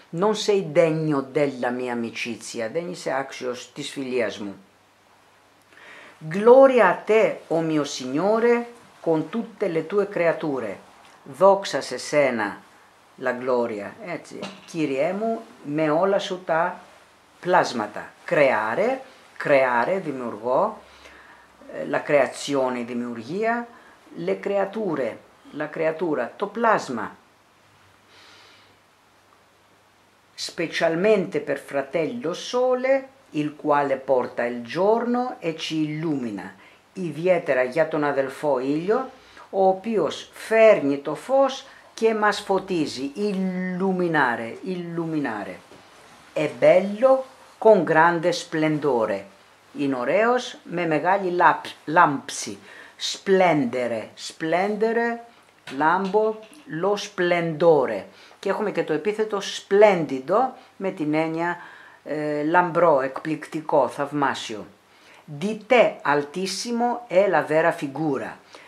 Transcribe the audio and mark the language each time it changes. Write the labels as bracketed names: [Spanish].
[Italian] Non sei degno della mia amicizia, [Greek] δεν είσαι άξιος της φιλίας μου. [Italian] Gloria a te, o mio Signore, con tutte le tue creature. [Greek] Δόξα σε σένα, la gloria, έτσι, Κύριέ μου, με όλα σου τα πλάσματα. [Italian] Creare, creare, [Greek] δημιουργώ, [Italian] la creazione, [Greek] δημιουργία, [Italian] le creature, la creatura, [Greek] το πλάσμα. [Italian] Specialmente per fratello sole, il quale porta il giorno e ci illumina. [Greek] Ιδιαίτερα για τον αδελφό ήλιο, ο οποίος φέρνει το φως και μας φωτίζει. [Italian] Illuminare, illuminare. È bello con grande splendore. [Greek] Είναι ωραίος με μεγάλη λάμψη. [Italian] Splendere, splendere, λάμπο, lo splendore. [Greek] Και έχουμε και το επίθετο splendido με την έννοια λαμπρό, εκπληκτικό, θαυμάσιο. [Italian] Di te, altissimo, è la vera figura.